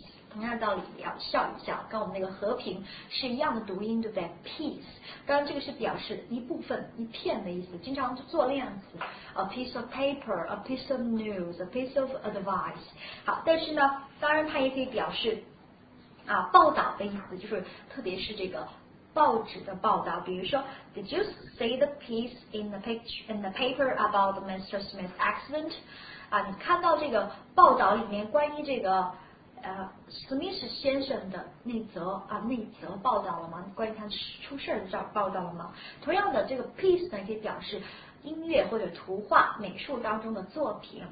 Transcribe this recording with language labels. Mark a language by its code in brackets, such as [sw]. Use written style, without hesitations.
[zh] 同样的道理也要笑一笑，跟我们那个和平是一样的读音，对不对 ？Peace， 当然这个是表示一部分、一片的意思，经常做量词 ， [en] a piece of paper， a piece of news， a piece of advice。 [zh] 好，但是呢，当然它也可以表示啊报道的意思，就是特别是这个报纸的报道。比如说 [en] ，Did you see the piece in the picture in the paper about Mr. Smith's accident？ [zh] 啊，你看到这个报道里面关于这个。史密斯先生的那则报道了吗？关于他出事的这报道了吗？同样的，这个 piece 呢，可以表示音乐或者图画、美术当中的作品。